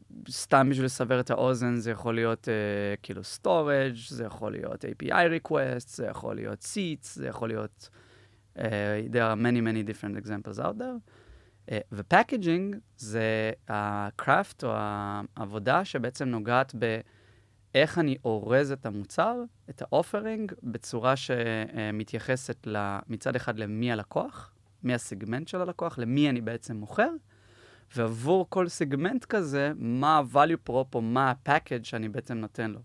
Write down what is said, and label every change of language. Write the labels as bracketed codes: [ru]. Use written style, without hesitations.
[he] סתם בשביל לסבר את האוזן, זה יכול להיות כאילו storage, זה יכול להיות API requests, זה יכול להיות seats, זה יכול להיות... [en] there are many, many different examples out there. [he] ו-packaging זה הקראפט או העבודה שבעצם נוגעת באיך אני אורז את המוצר, את האופרינג, בצורה שמתייחסת מצד אחד למי הלקוח, מי הסגמנט של הלקוח, למי אני בעצם מוכר, ועבור כל סגמנט כזה, מה ה-value prop או מה ה-package שאני בעצם נותן לו.